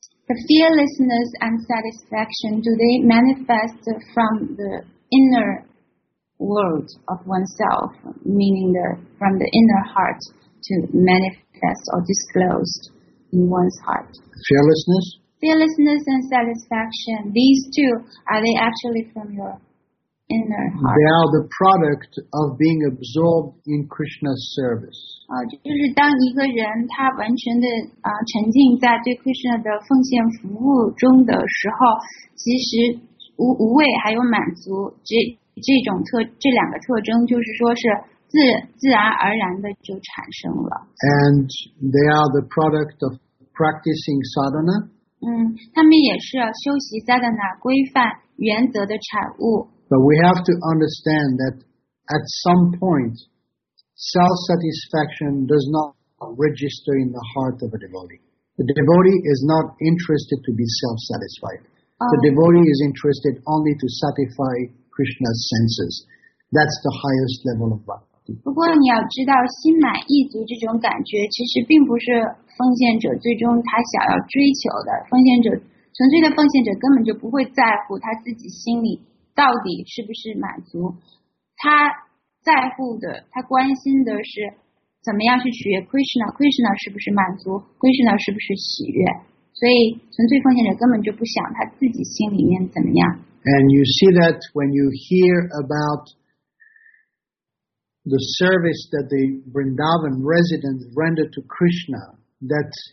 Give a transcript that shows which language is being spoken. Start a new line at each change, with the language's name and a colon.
English: The fearlessness and satisfaction Do they manifest from the innerworld of oneself, meaning from the inner heart to manifest or disclosed in one's heart. Fearlessness? Fearlessness and satisfaction. These two, are they actually from your inner heart? They are the product of being absorbed in Krishna's service.
Chinese: 就是当一个人他完全的沉浸在对 Krishna 的奉献服务中的时候，其实无畏还有满足这两个特征就是说是自然而然的就产生了。
English: And they are the product of practicing sadhana.
Chinese: 他们也是修习 sadhana 规范原则的产物。
English: But we have to understand that at some point, self-satisfaction does not register in the heart of a devotee. The devotee is not interested to be self-satisfied. The devotee is interested only to satisfy. Krishna's senses. That's the highest level of bhakti.
Chinese: 不过你要知道，心满意足这种感觉其实并不是奉献者最终他想要追求的。奉献者纯粹的奉献者根本就不会在乎他自己心里到底是不是满足。他在乎的，他关心的是怎么样去取悦 Krishna， Krishna 是不是满足， Krishna 是不是喜悦。所以纯粹奉献者根本就不想他自己心里面怎么样。
English: And you see that when you hear about the service that the Vrindavan residents render to Krishna, that